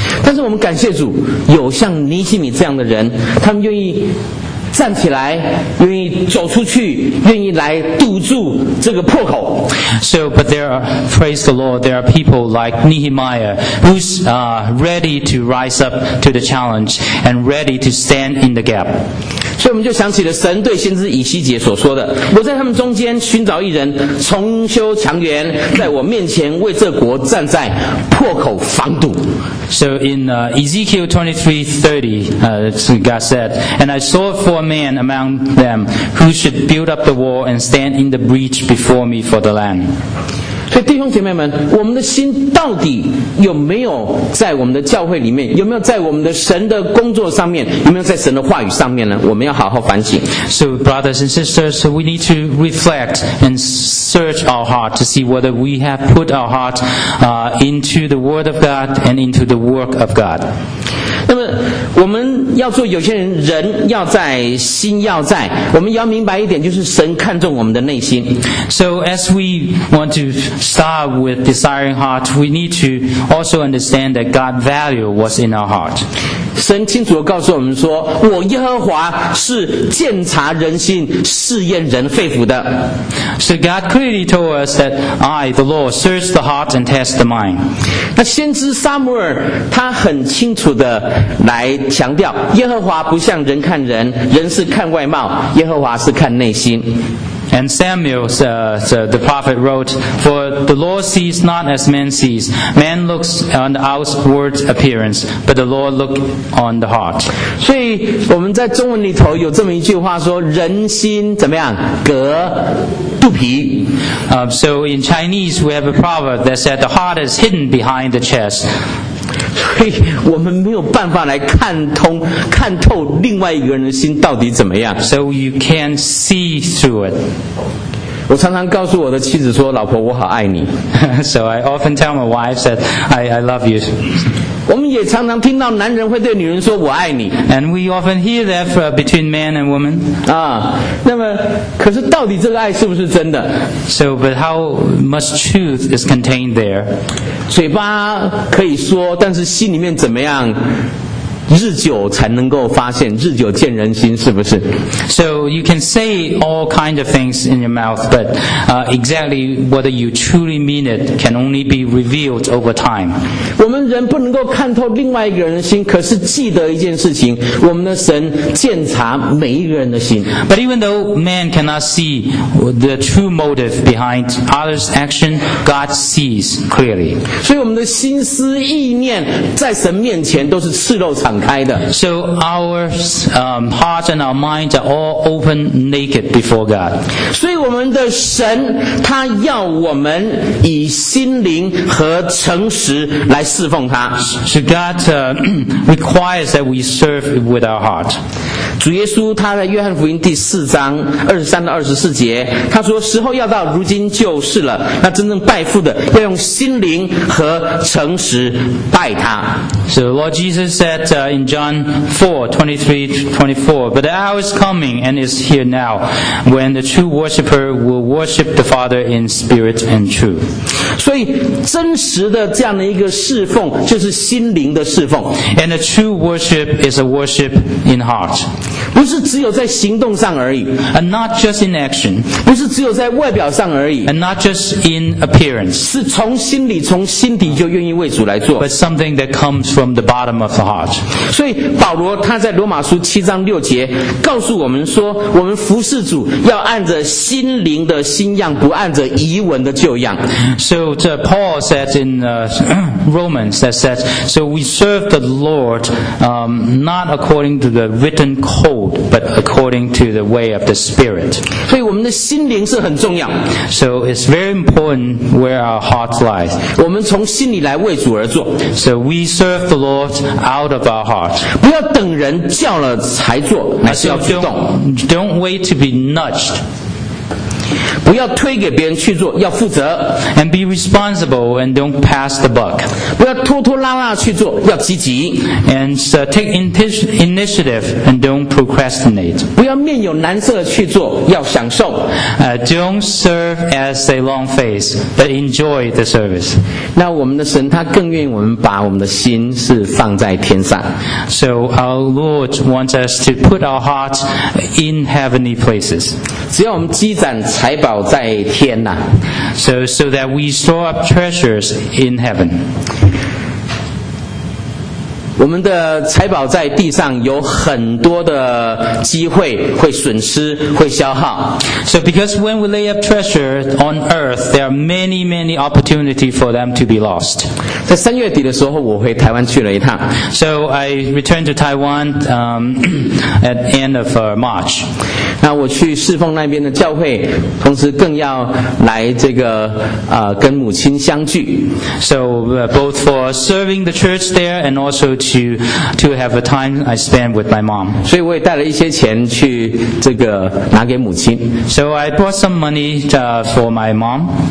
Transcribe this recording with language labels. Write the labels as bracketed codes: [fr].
[zh] 但是我们感谢主，有像尼希米这样的人，他们愿意站起来，愿意走出去，愿意来堵住这个破口。 [en] So, but there are, praise the Lord, there are people like Nehemiah who's ready to rise up to the challenge and ready to stand in the gap. [zh] 所以我们就想起了神对先知以西结所说的：“我在他们中间寻找一人，重修墙垣，在我面前为这国站在破口防堵。” [en] So in Ezekiel 23:30, God said, "And I saw four men among them who should build up the wall and stand in the breach before me for the land." [zh] 所以弟兄姐妹们，我们的心到底有没有在我们的教会里面，有没有在我们的神的工作上面，有没有在神的话语上面呢？我们要好好反省。 [en] So brothers and sisters, we need to reflect and search our heart to see whether we have put our heart into the word of God and into the work of God. [zh] 那么我们要做有些人，人要在，心要在，我们要明白一点，就是神看重我们的内心。 [en] So as we want to start with desiring heart, we need to also understand that God value what's in our heart. [zh] 神清楚地告诉我们说，我耶和华是鉴察人心，试验人肺腑的。 [en] So God clearly told us that I, the Lord, search the heart and test the mind. [zh] 那先知撒母耳他很清楚地来强调，耶和华不像人看人，人是看外貌，耶和华是看内心。 [en] And Samuel, the prophet wrote, "For the Lord sees not as man sees. Man looks on the outward appearance, but the Lord looks on the heart." [zh] 所以我们在中文里头有这么一句话说，人心怎么样？隔肚皮。 [en] So in Chinese, we have a proverb that said, "The heart is hidden behind the chest." [zh] 所以我们没有办法来看通、看透另外一个人的心到底怎么样。 [en] So you can't see through it. [zh] 我常常告诉我的妻子说：“老婆，我好爱你。” [en] So I often tell my wife that I love you. [zh] 我们也常常听到男人会对女人说“我爱你”。 [en] And we often hear that between man and woman. [zh] 啊，那么可是到底这个爱是不是真的 [en] ？So, but how much truth is contained there? [zh] 嘴巴可以说，但是心里面怎么样？日久才能够发现，日久见人心，是不是？ [en] So you can say all kinds of things in your mouth, but exactly whether you truly mean it can only be revealed over time. [zh] 我们人不能够看透另外一个人的心，可是记得一件事情，我们的神鉴察每一个人的心。 [en] But even though man cannot see the true motive behind others' action, God sees clearly. [zh] 所以我们的心思意念在神面前都是赤露敞开的。 [en] So our hearts and our minds are all open naked before God. [zh] 所以我们的神他要我们以心灵和诚实来侍奉他。 [en] So God requires that we serve with our heart. [zh] 主耶稣他在约翰福音第四章23-24节他说时候要到如今就是了那真正拜父的要用心灵和诚实拜他。 [en] So the Lord Jesus said in John 4:23-24, But the hour is coming and is here now, when the true worshipper will worship the Father in spirit and truth. [zh] 所以真实的这样的一个侍奉就是心灵的侍奉。 [en] And the true worship is a worship in heart. [zh] 不是只有在行动上而已。 [en] And not just in action. [zh] 不是只有在外表上而已。 [en] And not just in appearance. [zh] 是从心里从心底就愿意为主来做。 [en] But something that comes from the bottom of the heart. [zh] 所以保罗他在罗马书7:6告诉我们说我们服侍主要按着心灵的新样不按着遗文的旧样。 [en] So Paul said in Romans that says, so we serve the Lord not according to the written code, but according to the way of the Spirit. [zh] 所以我们的心灵是很重要。 [en] So it's very important where our hearts lie. [zh] 我们从心里来为主而做。 [en] So we serve the Lord out of our heart. [zh] 不要等人叫了才做，乃是要主动。 [en] Don't wait to be nudged. [zh] 不要推给别人去做，要负责。 [en] And be responsible and don't pass the buck. [zh] 不要拖拖拉拉去做，要积极。 [en] And take initiative and don't procrastinate. [zh] 不要面有难色去做，要享受。 [en] Don't serve as a long face, but enjoy the service. [zh] 那我们的神他更愿意我们把我们的心是放在天上。 [en] So our Lord wants us to put our hearts in heavenly places. [zh] 只要我们积攒财宝在天呐、啊、 [en] so that we store up treasures in heaven. [zh] 我们的财宝在地上有很多的机会会损失会消耗。 [en] So because when we lay up treasure on earth, there are many opportunity for them to be lost. [zh] 在三月底的时候，我回台湾去了一趟。 [en] So I returned to Taiwan at end of March. [zh] 那我去侍奉那边的教会，同时更要来这个跟母亲相聚。 [en] So both for serving the church there and also to have a time I spend with my mom. [zh] 所以我也带了一些钱去这个拿给母亲。 [en] So I brought some money for my mom.